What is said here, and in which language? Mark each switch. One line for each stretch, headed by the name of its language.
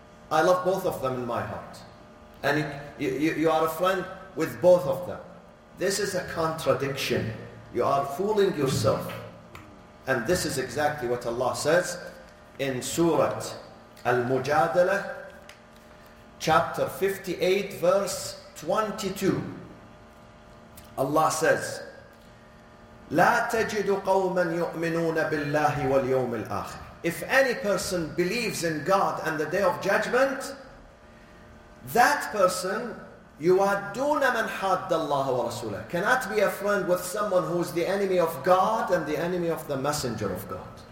English: I love both of them in my heart. And you are a friend with both of them. This is a contradiction. You are fooling yourself. And this is exactly what Allah says in Surah Al-Mujadalah, chapter 58, verse 22. Allah says,
Arabic: لا تجد قوما يؤمنون بالله واليوم الآخر.
English: If any person believes in God and the Day of Judgment, that person,
Arabic: يوادون من حد الله ورسوله,
English: cannot be a friend with someone who is the enemy of God and the enemy of the Messenger of God.